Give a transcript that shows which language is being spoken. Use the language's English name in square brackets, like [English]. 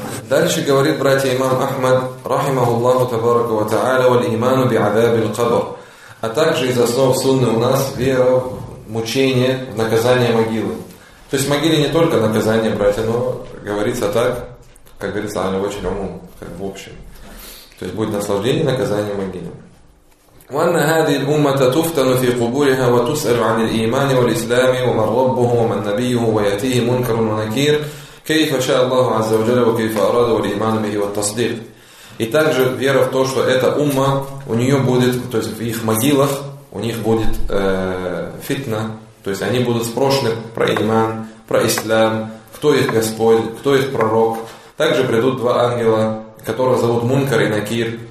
[Russian] Дальше говорит братья имам Ахмад, рахимаху Аллаху табарака ва тааля, [Arabic] валиману би азаби аль-кабр. [Russian] А также из основ сунны у нас вера в мучение, в наказание могилы. То есть в могиле не только наказание, братья, но говорится так, как говорится, аля очень умум, как в общем. То есть будет наслаждение, наказание могилы. [Arabic] وأن هذه الأمة تفتن في قبورها وتسأل عن الإيمان والإسلام ومن ربه ومن نبيه ويأتيه منكر ونكير كيف شاء الله عز وجل وكيف أراد والإيمان به والتصديق. [Russian] И также вера в то, что эта умма, у нее будет, то есть в их могилах у них будет фитна, то есть они будут спрошены про иман, про ислам, кто их Господь, кто их пророк. Также придут два ангела, которых зовут Мункар и Накир.